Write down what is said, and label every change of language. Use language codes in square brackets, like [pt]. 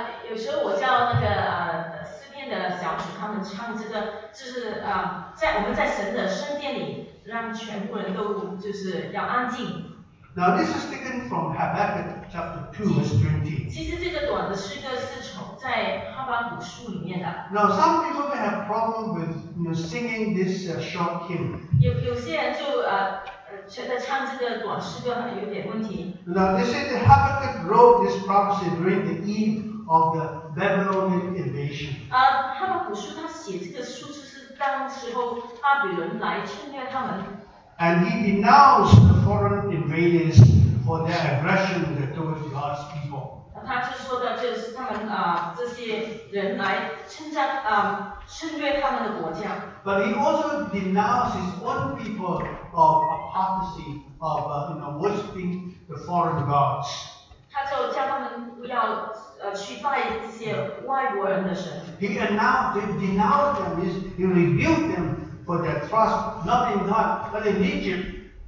[zh] 有时候我叫那个诗篇的小组他们唱这个，就是在我们在神的圣殿里，让全部人都就是要安静。 [en] Now this is taken from Habakkuk chapter 2 verse 20. [zh] 其实这个短的诗歌是从在哈巴谷书里面的。 [en] Now some people may have problem with singing this short hymn. [zh] 有些人就觉得唱这个短诗歌有点问题。 [en] Now they say that Habakkuk wrote this prophecy during the eve of the Babylonian invasion. [zh] 哈巴谷书他写这个书就是当时候巴比伦来侵略他们。 [en] And he denounced the foreign invaders for their aggression towards God's people. [zh] 他就说的就是他们这些人来侵略他们的国家。 [en] But he also denounced his own people of apostasy of worshiping the foreign gods. [zh] 他就叫他们不要去拜这些外国人的神。 [en] He denounced them, he rebuked them. For their trust, not in God, but in Egypt.